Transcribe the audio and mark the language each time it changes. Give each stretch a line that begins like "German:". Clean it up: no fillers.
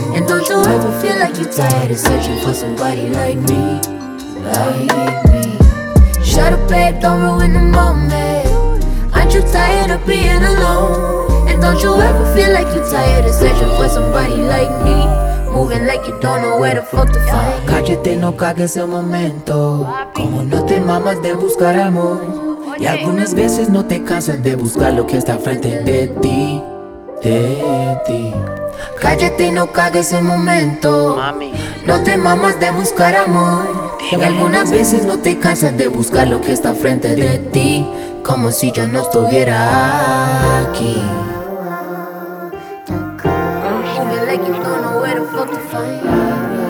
English: Don't you ever feel like you're tired of searching for somebody like me, like me? Shut up, babe, don't ruin the moment. Aren't you tired of being alone? And don't you ever feel like you're tired of searching for somebody like me, moving like you don't know where the fuck to find?
Spanish: Cállate, no cagues el momento. Como no te mamas de buscar amor. Y algunas veces no te cansas de buscar lo que está frente de ti, de ti. Cállate y no cagues el momento. Mami, no te mamas de buscar amor. Dime. Y algunas veces no te cansas de buscar lo que está frente de ti, como si yo no estuviera aquí.
English: Like you don't know where the fuck to find.